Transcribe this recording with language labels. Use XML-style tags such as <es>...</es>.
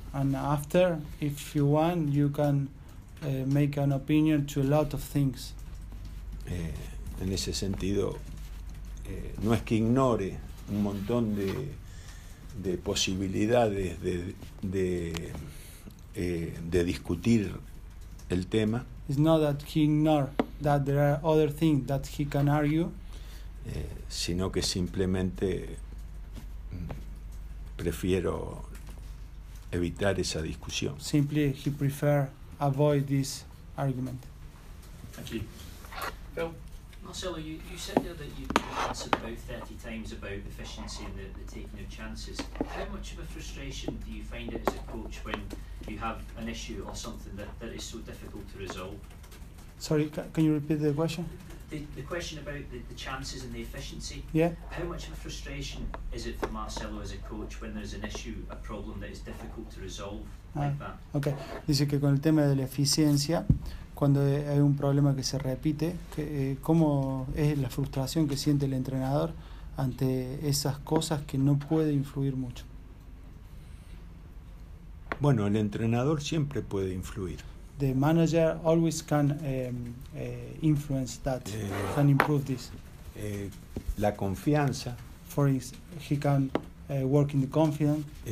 <en>And after, if you want, you can make an opinion to a lot of things.</en> <es>En ese sentido. No es que ignore un montón de posibilidades de discutir el tema.</es> <en>It's not that he ignore that there are other things that he can argue.</en> <es>Sino que simplemente prefiero evitar esa discusión.</es> <en>Simply he prefer avoid this argument. Thank you. Phil. Marcelo, you said there that you've answered both 30 times about efficiency and the taking of chances. How much of a frustration do you find it as a coach when you have an issue or something that is so difficult to resolve? Sorry, can you repeat the question? The question about the chances and the efficiency. Yeah. How much of a frustration is it for Marcelo as a coach when there's an issue, a problem that is difficult to resolve like that? Okay.</en> <es>Dice que con el tema de la eficiencia. Cuando hay un problema que se repite, ¿cómo es la frustración que siente el entrenador ante esas cosas que no puede influir mucho? Bueno, el entrenador siempre puede influir.</es> <en>The manager always can influence that, can improve this.</en> <es>La confianza.</es> <en>For instance, he can work in the confidence.</en>